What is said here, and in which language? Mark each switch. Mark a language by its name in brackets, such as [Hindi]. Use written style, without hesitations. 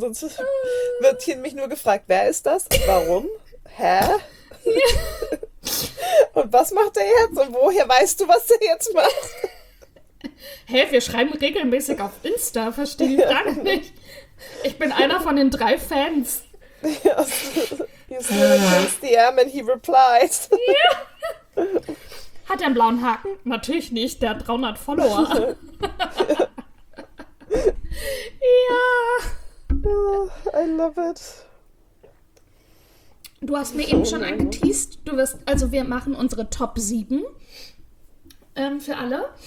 [German] Sonst wird hier mich nur gefragt, wer ist das? Warum? Hä? Ja. Und was macht er jetzt? Und woher weißt du, was er jetzt macht? Hä, wir schreiben regelmäßig auf Insta, verstehe ich gar nicht. Ich bin einer von den 3 Fans. [English] Yes. He sends the DM and he replies. [German] Ja. Hat er einen blauen Haken? Natürlich nicht, der hat 300 Follower. Ja. Ja. [English] Oh, I love it. [German] Du hast mir eben schon angeteased. Du wirst, also wir machen unsere Top 7 für alle.